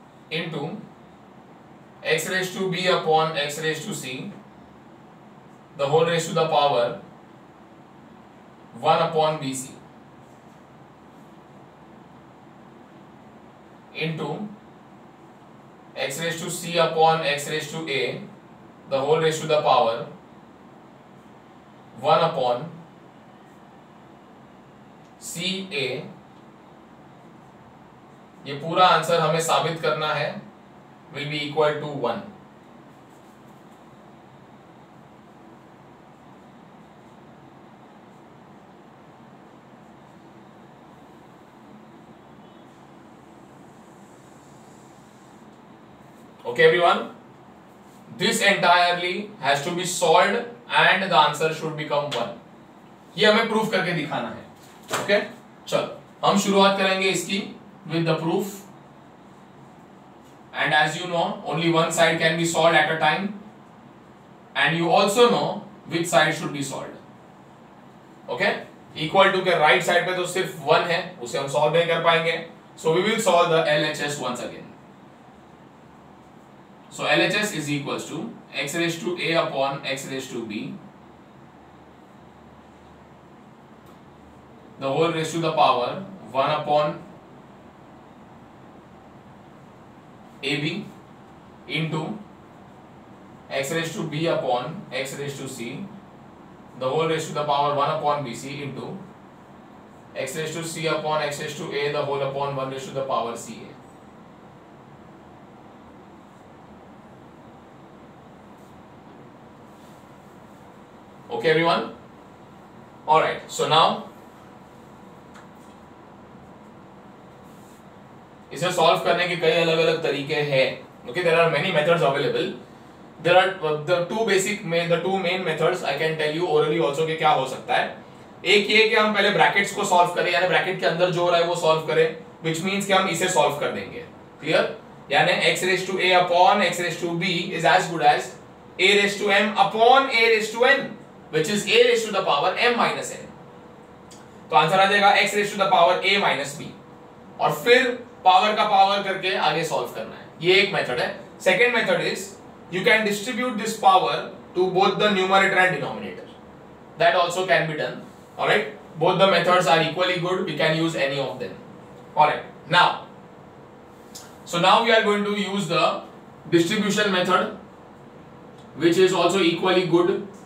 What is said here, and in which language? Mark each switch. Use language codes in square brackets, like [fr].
[en] into x raised to b upon x raised to c the whole raised to the power 1 upon BC into x raised to C upon x raised to A the whole raised to the power 1 upon [hi] सी ए, ये पूरा answer हमें साबित करना है [en] Will be equal to one. Okay everyone, this entirely has to be solved and the answer should become 1. [hi] ये हमें proof करके दिखाना है. ओके चलो हम शुरुआत करेंगे इसकी [en] With the proof. And as you know only one side can be solve at a time and you also know which side should be solve. [hi] Okay equal to के राइट साइड पे तो सिर्फ 1 है, उसे हम सॉल्व नहीं कर पाएंगे. [en] So we will solve the LHS once again. So LHS is equals to x raised to a upon x raised to b, the whole raised to the power 1 upon ab into x raised to b upon x raised to c, the whole raised to the power 1 upon bc into x raised to c upon x raised to a, the whole upon 1 raised to the power ca. Okay everyone, all right, so now [hi] इसे solve करने के कई अलग अलग तरीके हैं. [en] Okay there are many methods available. There are the two basic main the two main methods I can tell you orally also [hi] के क्या हो सकता है. एक ये कि हम पहले ब्रैकेट्स को सॉल्व करें, यानी ब्रैकेट के अंदर जो हो रहा है वो सॉल्व करें, [en] which means [hi] कि हम इसे सॉल्व कर देंगे. [en] Clear? [hi] यानी [en] x raise to a upon x raise to b is as good as a raise to m upon a raise to n, which is a raised to the power m minus n. [hi] तो answer आ जाएगा x raised to the power a minus b. और फिर power का power करके आगे solve करना है. ये एक मेथड है. [en] Second method is you can distribute this power to both the numerator and denominator. That also can be done. Alright, both the methods are equally good. We can use any of them. Alright, now so now we are going to use the distribution method which is also equally good.